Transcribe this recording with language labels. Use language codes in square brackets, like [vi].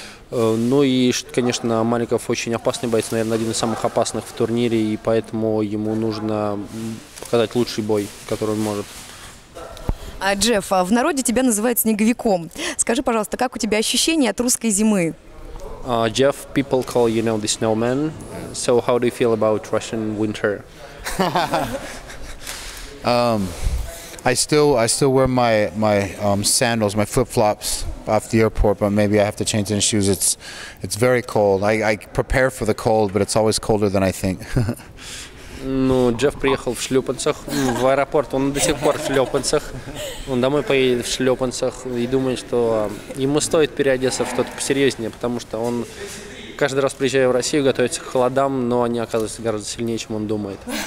[ru] Ну и, конечно, Маликов очень опасный боец. Наверное, один из самых опасных в турнире. И поэтому ему нужно показать лучший бой, который он может. А, Джефф, в народе тебя называют снеговиком. Скажи, пожалуйста, как у тебя ощущения от русской зимы? [en] Jeff, people call you know the snowman. So how do you feel about Russian winter? I still wear my sandals, my flip flops off the airport, but maybe I have to change in shoes. It's very cold. I prepare for the cold, but it's always colder than I think. [ru] Ну, Джефф приехал в шлёпанцах в аэропорт, он до сих пор в шлёпанцах, он домой поедет в шлёпанцах и думает, что ему стоит переодеться в что-то посерьезнее, потому что он каждый раз, приезжая в Россию, готовится к холодам, но они оказываются гораздо сильнее, чем он думает.